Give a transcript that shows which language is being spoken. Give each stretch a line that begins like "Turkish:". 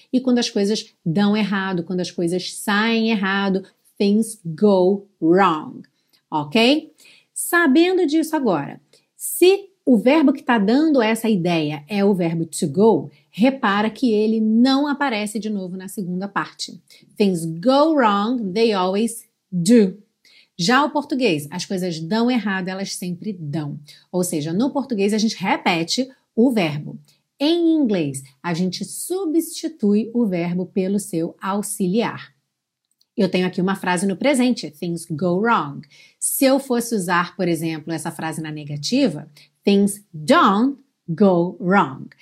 Portuguese: E quando as coisas dão errado, quando as coisas saem errado,
English: things go wrong.
Portuguese: Ok? Sabendo disso agora, se o verbo que está dando essa ideia é o verbo to go, repara que ele não aparece de novo na segunda parte.
English: Things go wrong, they always do.
Portuguese: Já o português, as coisas dão errado, elas sempre dão. Ou seja, no português a gente repete o verbo. Em inglês, a gente substitui o verbo pelo seu auxiliar. Eu tenho aqui uma frase no presente,
English: things go wrong.
Portuguese: Se eu fosse usar, por exemplo, essa frase na negativa,
English: things don't go wrong.